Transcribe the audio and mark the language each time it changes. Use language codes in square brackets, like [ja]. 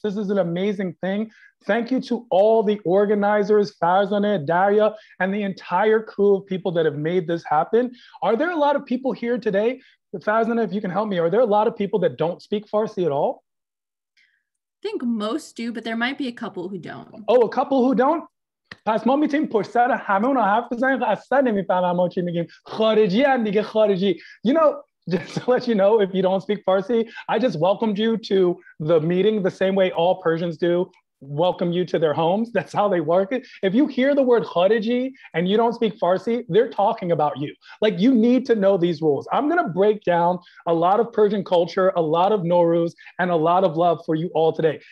[en] This is an amazing thing. Thank you to all the organizers, Farzaneh, Daria, and the entire crew of people that have made this happen. Are there a lot of people here today? Farzaneh, if you can help me, are there a lot of people that don't speak Farsi at all? I think most do, but there might be a couple who don't. Oh, a couple who don't? [fa] پس ما میتونیم پشت سر همه اونا حرف بزنیم که اصلا نمیفهمم ما چی میگیم خارجی هم دیگه خارجی. [en] You know, just to let you know, if you don't speak Farsi, I just welcomed you to the meeting the same way all Persians do welcome you to their homes. That's how they work it. If you hear the word khariji and you don't speak Farsi, they're talking about you. Like, you need to know these rules. I'm going to break down a lot of Persian culture, a lot of Nowruz, and a lot of love for you all today.